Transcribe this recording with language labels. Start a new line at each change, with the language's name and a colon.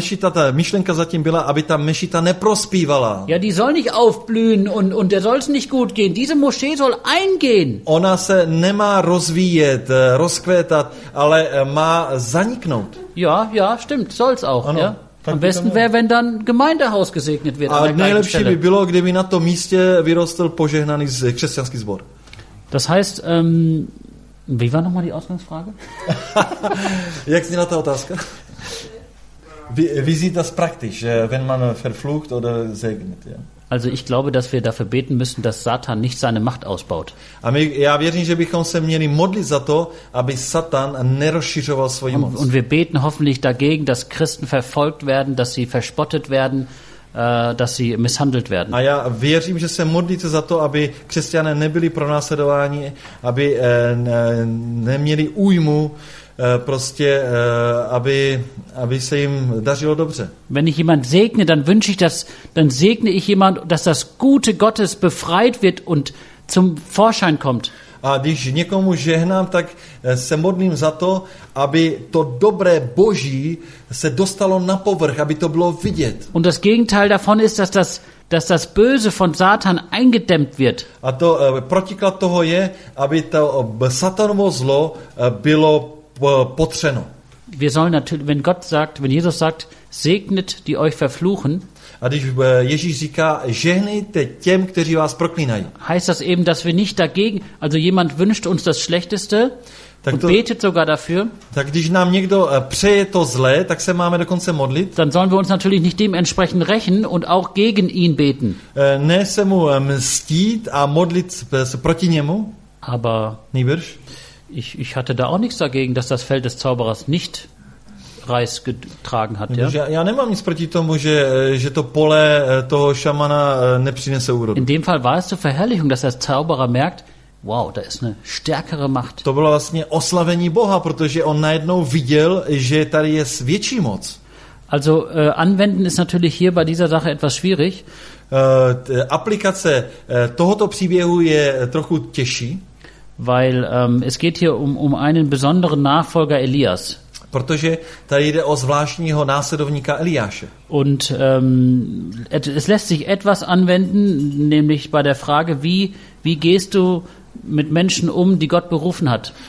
Czech: ta myšlenka zatím byla, aby ta mešita neprospívala.
German: Ja, die soll nicht aufblühen und der soll's nicht gut gehen. Diese Moschee soll eingehen.
Czech: Ona se nemá rozvíjet, rozkvétat, ale má zaniknout.
German: Ja, stimmt, soll's auch, ano, ja. Am besten wäre, wenn dann Gemeindehaus gesegnet wird.
Czech: A nejlepší by bylo, kdyby na tom místě vyrostl požehnaný křesťanský sbor.
German: Das heißt, wie war nochmal die Ausgangsfrage?
Czech: Jak zněla ta otázka?
German: Wie sieht das praktisch, wenn man verflucht oder segnet? Ja? Also ich glaube, dass wir dafür beten müssen, dass Satan nicht seine Macht ausbaut.
Czech: Já věřím, že bychom se měli modlit za to, aby Satan nerozšiřoval svoji moc.
German: Und wir beten hoffentlich dagegen, dass Christen verfolgt werden, dass sie verspottet werden, dass sie misshandelt werden.
Czech: A já věřím, že se modlíte za to, aby křesťané nebyli pronásledováni, aby neměli újmu, prostě aby se jim dařilo dobře.
German: Wenn ich jemand segne, dann segne ich jemand, dass das Gute Gottes befreit wird und zum Vorschein kommt.
Czech: A když někomu žehnám, tak se modlím za to, aby to dobré Boží se dostalo na povrch, aby to bylo vidět.
German: Und das Gegenteil davon ist, dass das Böse von Satan eingedämmt wird.
Czech: A to protiklad toho je, aby to satanovo zlo bylo potřeno.
German: Wir sollen natürlich, wenn Gott sagt, wenn Jesus sagt, segnet die euch verfluchen.
Czech: A když Ježíš říká, žehnejte těm, kteří vás proklínají.
German: Heißt das eben, dass wir nicht dagegen, also jemand wünscht uns das Schlechteste und betet sogar dafür.
Czech: Tak když nám někdo přeje to zlé, tak se máme dokonce modlit.
German: Dann sollen wir uns natürlich nicht dementsprechend rächen und auch gegen ihn beten.
Czech: Ne se mu mstít a modlit se proti němu.
German: Aber
Czech: nejbrž.
German: Ich hatte da auch nichts dagegen, dass das Feld des Zauberers nicht Reis getragen hat, ja.
Czech: Já nemám nic proti tomu, že to pole toho šamana nepřinese úrodu.
German: In dem Fall war es zur Verherrlichung, dass der Zauberer merkt, wow, da ist eine stärkere Macht.
Czech: To bylo vlastně oslavení Boha, protože on najednou viděl, že tady je větší moc.
German: Also anwenden ist natürlich hier bei dieser Sache etwas schwierig.
Czech: Aplikace tohoto příběhu je trochu těžší,
German: weil es geht hier um einen besonderen Nachfolger Elias.
Czech: Protože tady jde o zvláštního následovníka Eliáše.
German: Und es lässt sich etwas anwenden, nämlich bei der Frage, wie gehst du mit Menschen um, die Gott berufen hat.